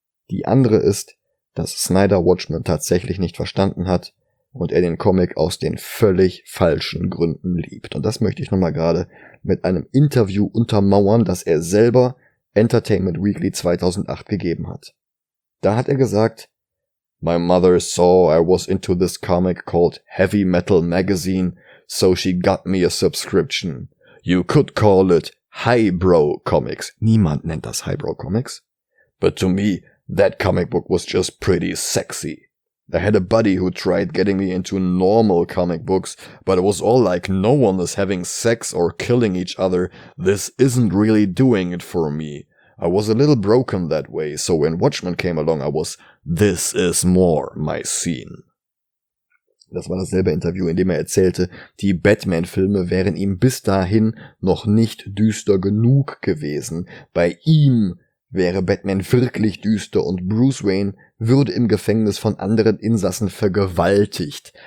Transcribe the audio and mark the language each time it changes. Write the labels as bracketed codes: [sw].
[de] Die andere ist, dass Snyder Watchmen tatsächlich nicht verstanden hat und er den Comic aus den völlig falschen Gründen liebt. Und das möchte ich nochmal gerade mit einem Interview untermauern, das er selber Entertainment Weekly 2008 gegeben hat. Da hat er gesagt: [en] "My mother saw I was into this comic called Heavy Metal Magazine, so she got me a subscription. You could call it Highbro Comics." [de] Niemand nennt das Highbro Comics. [en] "But to me, that comic book was just pretty sexy. I had a buddy who tried getting me into normal comic books, but it was all like, no one is having sex or killing each other. This isn't really doing it for me. I was a little broken that way, so when Watchmen came along, I was, this is more my scene." [de] Das war dasselbe Interview, in dem er erzählte, die Batman-Filme wären ihm bis dahin noch nicht düster genug gewesen. Bei ihm wäre Batman wirklich düster und Bruce Wayne würde im Gefängnis von anderen Insassen vergewaltigt.